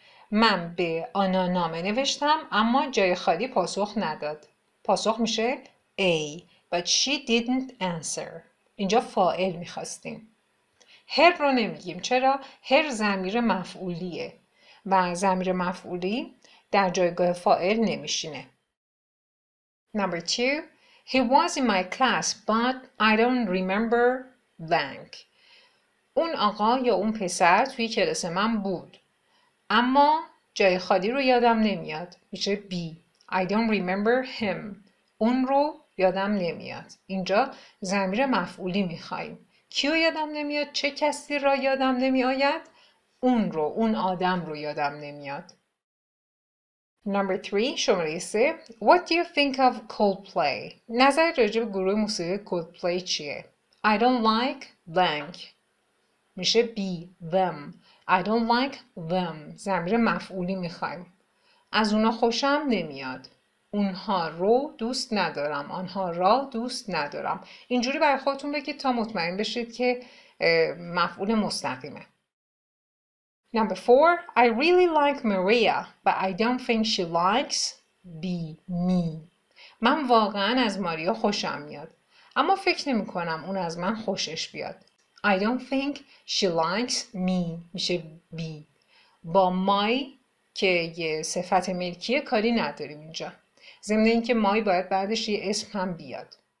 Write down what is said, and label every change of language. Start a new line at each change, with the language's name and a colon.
Persian: من به آنا نامه نوشتم اما جای خالی پاسخ نداد. پاسخ میشه
English: A, but she didn't answer.
Persian: اینجا فاعل میخواستیم. هر رو نمیگیم. چرا؟ هر ضمیر مفعولیه و ضمیر مفعولی در جایگاه فاعل نمیشینه.
English: Number 2. He was in my class, but I don't remember blank.
Persian: اون آقا یا اون پسر توی کلاس من بود. اما جای خالی رو یادم نمیاد. میشه B.
English: I don't remember him.
Persian: اون رو یادم نمیاد. اینجا ضمیر مفعولی میخواییم. کیو یادم نمیاد؟ چه کسی را یادم نمیآید؟ اون رو، اون آدم رو یادم نمیاد.
English: Number 3,
Persian: شماره 3.
English: What do you think of Coldplay?
Persian: نظر راجع به گروه موسیقی Coldplay چیه؟
English: I don't like blank.
Persian: میشه
English: B, them. I don't like them.
Persian: ضمیر مفعولی میخوایم. از اونا خوشم نمیاد. اونها رو دوست ندارم. آنها را دوست ندارم. اینجوری برای خودتون بگید تا مطمئن بشید که مفعول مستقیمه.
English: Number 4, I really like Maria, but I don't think she likes me.
Persian: من واقعا از ماریا خوشم میاد. اما فکر نمی کنم اون از من خوشش بیاد.
English: I don't think she likes me.
Persian: میشه
English: B.
Persian: با my که یه صفت ملکیه کاری نداریم اینجا. ضمن اینکه my باید بعدش یه اسم هم بیاد.